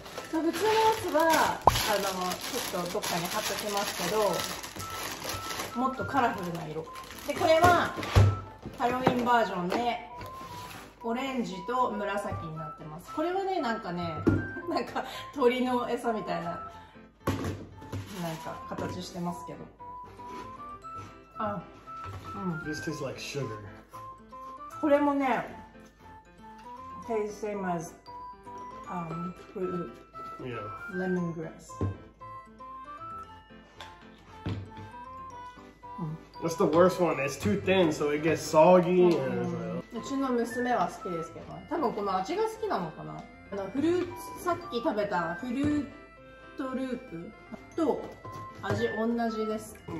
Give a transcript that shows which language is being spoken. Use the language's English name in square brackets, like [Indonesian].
[Japanese] 普通のやつはあのちょっとどっかに貼っときますけど、もっとカラフルな色で、これはハロウィンバージョンでオレンジと紫になってます。これはね、なんかね、なんか鳥の餌みたいななんか形してますけど、あ、 [English] This tastes like sugar. [Japanese] これもね [English] tastes same as fruit. Yeah. Lemongrass. What's the worst one? It's too thin, so it gets soggy. And [Japanese] うちの娘は好きですけど、多分この味が好きなのかな。あのフルーツ、さっき食べたフルートループと味同じです。